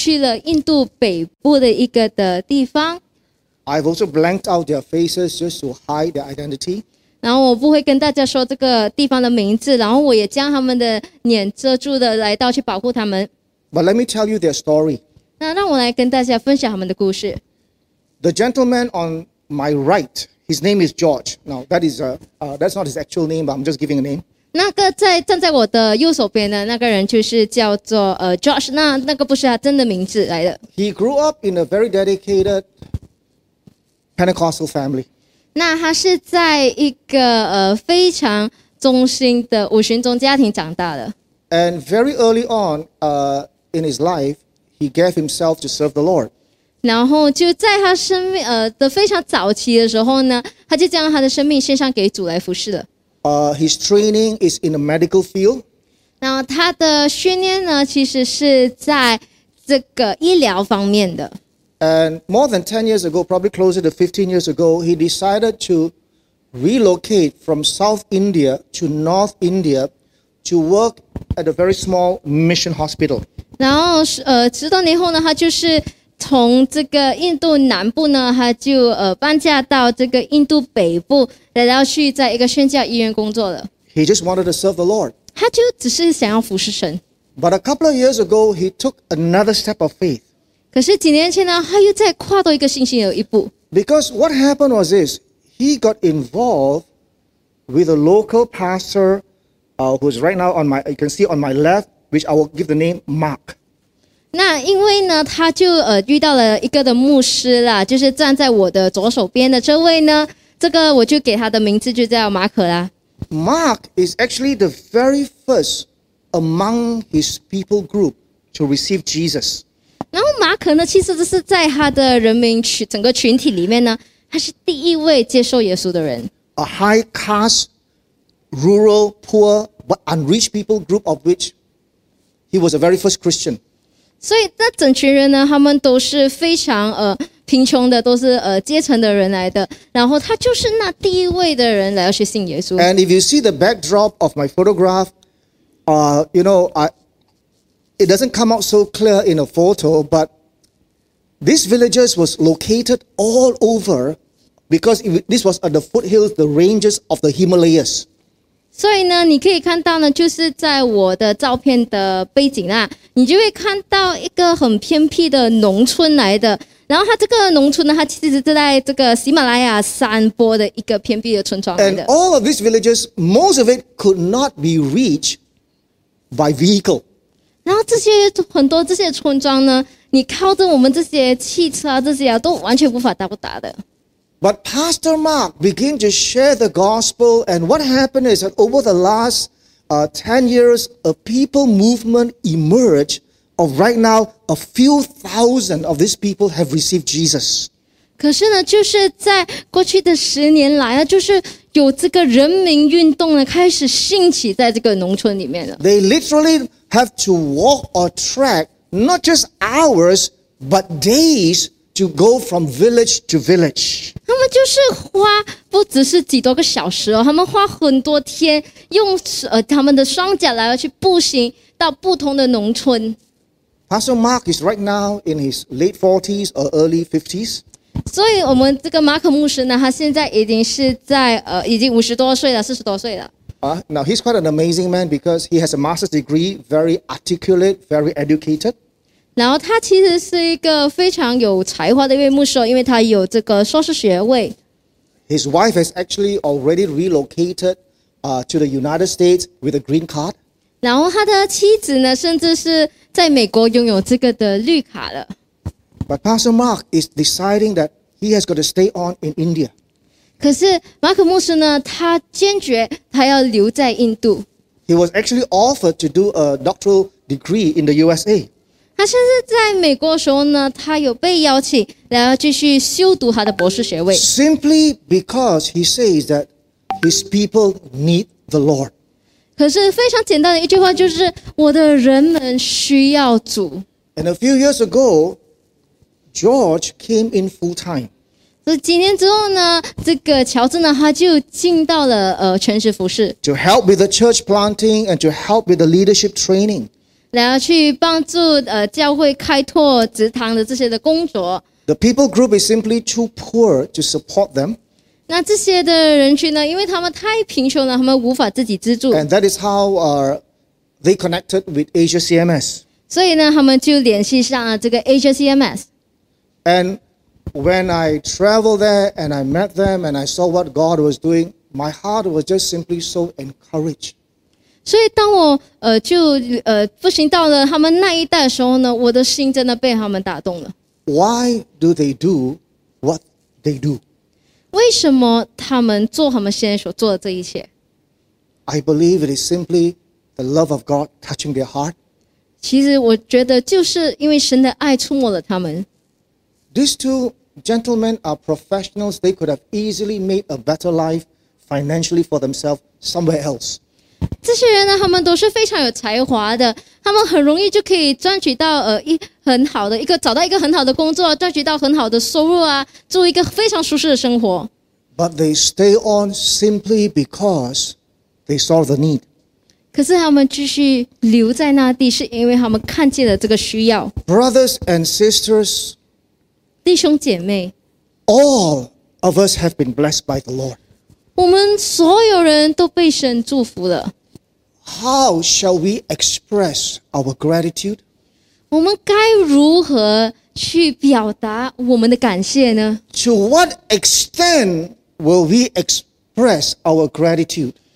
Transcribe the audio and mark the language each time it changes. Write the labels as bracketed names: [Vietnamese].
[Chinese] 就在两年前呢，我就去了印度北部的一个的地方。 [English] I've also blanked out their faces just to hide their identity. [Chinese] 然后我不会跟大家说这个地方的名字，然后我也将他们的脸遮住的来到去保护他们。 [English] But let me tell you their story. [Chinese] 那让我来跟大家分享他们的故事。The [English] gentleman on my right, his name is George. Now, that's not his actual name, but I'm just giving a name. [Chinese] 那个在站在我的右手边的那个人就是叫做Josh， 那个不是他真的名字来的。 [English] He grew up in a very dedicated Pentecostal family. [Chinese] 那他是在一个非常忠心的五旬宗家庭长大的。 [English] And very early on, in his life, he gave himself to serve the Lord. [Chinese] 然后就在他生命的非常早期的时候呢，他就将他的生命献上给主来服侍了。 [English] His training is in the medical field. [Chinese] 那他的训练呢，其实是在这个医疗方面的。 [English] And more than 10 years ago, probably closer to 15 years ago, he decided to relocate from South India to North India to work at a very small mission hospital. [Chinese] 然后十多年后呢，他就是从这个印度南部呢，他就搬家到这个印度北部，来到去在一个宣教医院工作的。 [English] He just wanted to serve the Lord. [Chinese] 他就只是想要服侍神。 [English] But a couple of years ago, he took another step of faith. [Chinese] 可是几年前呢，他又再跨到一个信心的一步。 [English] Because what happened was this, he got involved with a local pastor, who's right now on my, you can see on my left, which I will give the name Mark. [Chinese] 那因为呢，他就遇到了一个的牧师啦，就是站在我的左手边的这位呢，这个我就给他的名字就叫马可啦。 [English] Mark is actually the very first among his people group to receive Jesus. [Chinese] 然后马可呢，其实就是在他的人民整个群体里面呢，他是第一位接受耶稣的人。 [English] A high caste, rural, poor, but unreached people group of which he was the very first Christian. [Chinese] 所以那整群人呢，他们都是非常贫穷的，都是阶层的人来的。然后他就是那第一位的人来要去信耶稣。 [English] And if you see the backdrop of my photograph, you know, it doesn't come out so clear in a photo, but these villages was located all over because this was at the foothills, the ranges of the Himalayas. [Chinese] 所以呢，你可以看到呢，就是在我的照片的背景啦，你就会看到一个很偏僻的农村来的。然后它这个农村呢，它其实是在这个喜马拉雅山坡的一个偏僻的村庄来的。 [English] And all of these villages, most of it could not be reached by vehicle. [Chinese] 然后这些很多这些村庄呢，你靠着我们这些汽车啊，这些啊，都完全无法到达的。 [English] But Pastor Mark began to share the gospel, and what happened is that over the last 10 years, a people movement emerged of right now, a few thousand of these people have received Jesus. [Chinese] 可是呢，就是在过去的十年来啊，就是有这个人民运动呢，开始兴起在这个农村里面了。 [English] They literally have to walk or trek, not just hours, but days,to go from village to village. [Chinese] 他们就是花不只是几多个小时哦，他们花很多天用他们的双脚来去步行到不同的农村。 [English] Pastor Mark is right now in his late 40s or early 50s. [Chinese] 所以我们这个马可牧师呢，他现在已经是在已经40多岁了。 [English] Now he's quite an amazing man because he has a master's degree, very articulate, very educated. [Chinese] 然后他其实是一个非常有才华的一位牧师，因为他有这个硕士学位。 [English] His wife has actually already relocated, to the United States with a green card. [Chinese] 然后他的妻子呢，甚至是在美国拥有这个的绿卡了。 [English] But Pastor Mark is deciding that he has got to stay on in India. [Chinese] 可是马可牧师呢，他坚决他要留在印度。 [English] He was actually offered to do a doctoral degree in the USA. [Chinese] 他甚至在美国的时候呢，他有被邀请来继续修读他的博士学位。 [English] Simply because he says that his people need the Lord. [Chinese] 可是非常简单的一句话就是，我的人们需要主。 [English] And a few years ago, George came in full time. [Chinese] 所以几年之后呢，这个乔治呢，他就进到了全职服事。 [English] To help with the church planting and to help with the leadership training. [Chinese] 然后去帮助教会开拓职堂的这些的工作。 [English] The people group is simply too poor to support them. [Chinese] 那这些的人群呢，因为他们太贫穷了，他们无法自己资助。 [English] And that is how they connected with Asia CMS. [Chinese] 所以呢，他们就联系上了这个 Asia CMS. [English] And when I traveled there and I met them and I saw what God was doing, my heart was just simply so encouraged. [Chinese] 所以当我复兴到了他们那一代的时候呢，我的心真的被他们打动了。 [English] Why do they do what they do? [Chinese] 为什么他们做他们现在所做的这一切？ [English] I believe it is simply the love of God touching their heart. [Chinese] 其实我觉得就是因为神的爱触摸了他们。 [English] These two gentlemen are professionals. They could have easily made a better life financially for themselves somewhere else. [Chinese] 这些人呢，他们都是非常有才华的，他们很容易就可以赚取到很好的一个找到一个很好的工作，赚取到很好的收入啊，住一个非常舒适的生活。 [English] But they stay on simply because they saw the need. [Chinese] 可是他们继续留在那地，是因为他们看见了这个需要。 [English] Brothers and sisters, [Chinese] 弟兄姐妹 [English] ，All of us have been blessed by the Lord. [Chinese] 我们所有人都被神祝福了。 [English] How shall we express our gratitude? [Chinese] 我们该如何去表达我们的感谢呢？ [English] To what extent will we express our gratitude?